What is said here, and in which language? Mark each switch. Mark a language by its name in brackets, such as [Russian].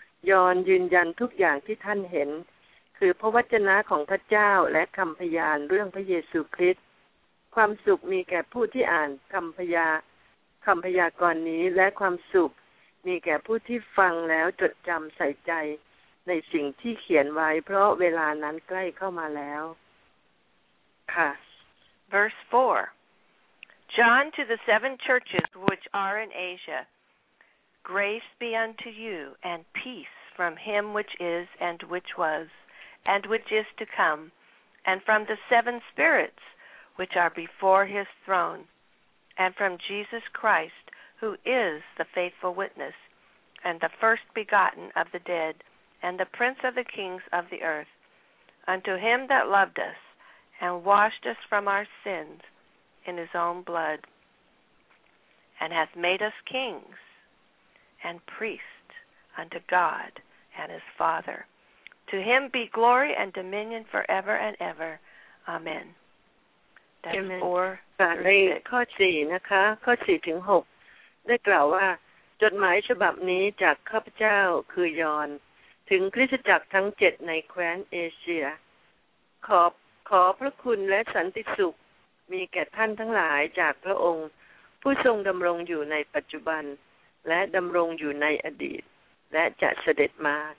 [Thai] ยอนยืนยันทุกอย่างที่ท่านเห็นคือพระวจนะของพระเจ้าและคำพยานเรื่องพระเยซูคริสต์ความสุขมีแก่ผู้ที่อ่านคำพยากรณ์นี้และความสุขมีแก่ผู้ที่ฟังแล้วจดจำใส่ใจในสิ่งที่เขียนไว้เพราะเวลานั้นใกล้เข้ามาแล้วค่ะ [English] Verse 4 John to the 7 churches which are in Asia Grace be unto you and peace from him which is and which was and which is to come and from the 7 spirits which are before his throne and from Jesus Christ who is the faithful witness, and the first begotten of the dead, and the prince of the kings of the earth, unto him that loved us, and washed us from our sins in his own blood, and hath made us kings and priests unto God and his Father. To him be glory and dominion forever and ever. Amen. That's 4-6. [Thai] ข้อ 4 ถึง 6ได้กล่าวว่าจดหมายฉบับนี้จากข้าพเจ้าคือยอนถึงคริสตจักรทั้ง7ในแคว้นเอเชียขอพระคุณและสันติสุขมีแก่ท่านทั้งหลายจากพระองค์ผู้ทรงดำรงอยู่ในปัจจุบันและดำรงอยู่ในอดีตและจะเสด็จมา